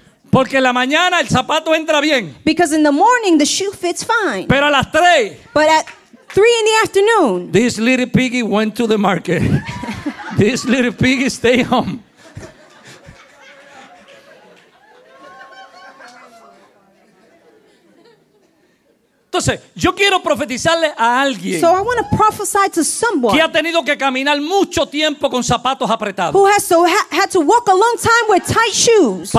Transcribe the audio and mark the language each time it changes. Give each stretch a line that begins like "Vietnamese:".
Spanish: Porque en la mañana el zapato entra bien.
English: Because in the morning the shoe fits fine.
Spanish: Pero a las 3.
English: But at 3 in the afternoon. This little piggy went to the market. This little piggy stay home.
Spanish: Entonces, yo quiero profetizarle a alguien.
English: So I want to prophesy to someone.
Spanish: Que ha tenido que caminar mucho tiempo con zapatos apretados.
English: Who has had to walk a long time with tight shoes.